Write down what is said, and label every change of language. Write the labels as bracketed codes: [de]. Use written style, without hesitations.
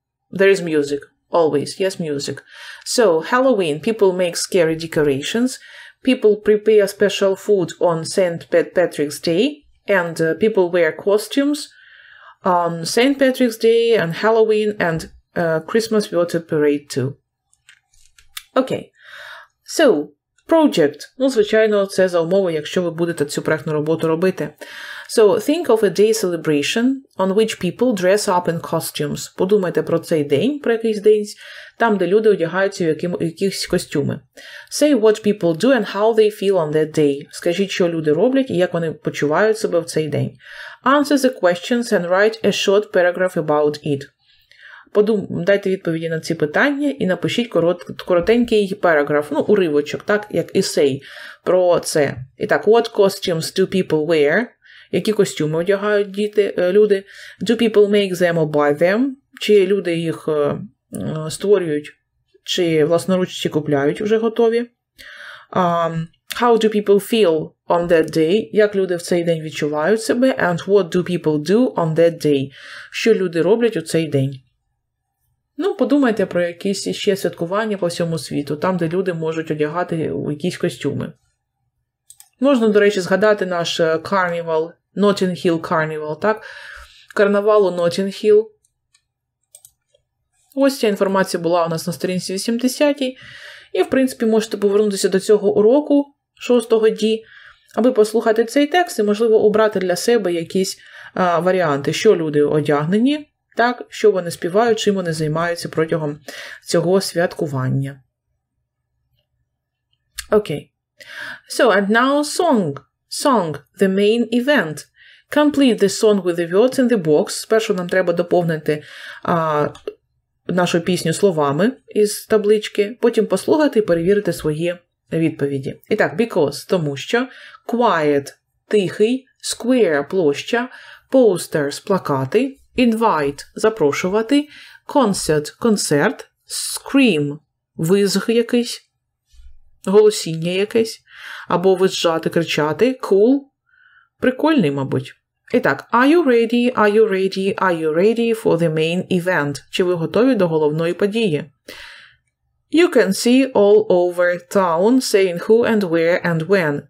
[en] There is music. Always. Yes, music. So, Halloween, people make scary decorations. People prepare special food on St. Patrick's Day. And people wear costumes on St. Patrick's Day and Halloween and Christmas winter parade too. Okay. So, project. [uk] Ну, звичайно, це за умови, якщо ви будете цю проєктну роботу робити. [en] So, think of a day celebration on which people dress up in costumes. [uk] Подумайте про цей день, про якийсь день, там, де люди одягаються в якихось костюми. [en] Say what people do and how they feel on that day. [uk] Скажіть, що люди роблять і як вони почувають себе в цей день. [en] Answer the questions and write a short paragraph about it. [uk] Дайте відповіді на ці питання і напишіть коротенький параграф, ну, уривочок, так, як есей про це. І так, [en] what costumes do people wear? [uk] Які костюми одягають діти, люди? [en] Do people make them or buy them? [uk] Чи люди їх створюють, чи власноруч чи купляють вже готові? [en] How do people feel on that day? [uk] Як люди в цей день відчувають себе? [en] And what do people do on that day? [uk] Що люди роблять у цей день? Ну, подумайте про якісь ще святкування по всьому світу, там, де люди можуть одягати у якісь костюми. Можна, до речі, згадати наш карнівал, Notting Hill Carnival, так? Карнавал у Notting Hill. Ось ця інформація була у нас на сторінці 80-й. І, в принципі, можете повернутися до цього уроку, 6-го ді, аби послухати цей текст і, можливо, обрати для себе якісь варіанти, що люди одягнені. Так, що вони співають, чим вони займаються протягом цього святкування. [en] Okay. So, and now song. Song, the main event. Complete the song with the words in the box. [uk] Спершу нам треба доповнити нашу пісню словами із таблички, потім послухати і перевірити свої відповіді. І так, because, тому що, quiet, тихий, square, площа, posters, плакати, invite – запрошувати, concert – концерт, scream – визг якийсь, голосіння якесь, або визжати, кричати, cool – прикольний, мабуть. І так, [en] are you ready, are you ready, are you ready for the main event? [uk] Чи ви готові до головної події? [en] You can see all over town saying who and where and when.